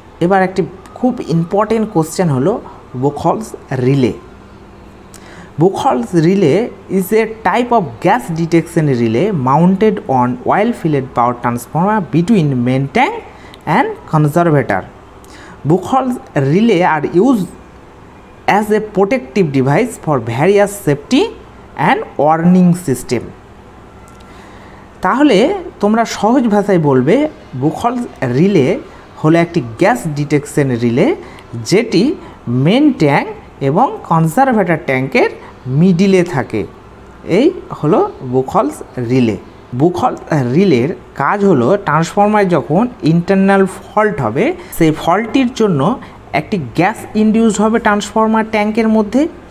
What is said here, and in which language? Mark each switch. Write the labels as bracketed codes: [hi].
[bn] এবার একটি খুব ইম্পর্টেন্ট কোশ্চেন হলো বুখলস relay. [en] Buchholz relay is a type of gas detection relay mounted on oil filled power transformer between main tank and conservator. Buchholz relay are use as a protective device for various safety and warning system. [bn] তাহলে তোমরা সহজ ভাষায় বলবে Buchholz relay হলো একটি gas detection relay যেটি main tank এবং conservator ট্যাঙ্কের মিডিলে থাকে। এই হলো Buchholz রিলে। Buchholz রিলের কাজ হলো ট্রান্সফরমার যখন ইন্টারনাল ফল্ট হবে সেই ফল্টির জন্য একটি গ্যাস ইনডিউস হবে ট্রান্সফরমার ট্যাঙ্কের মধ্যে।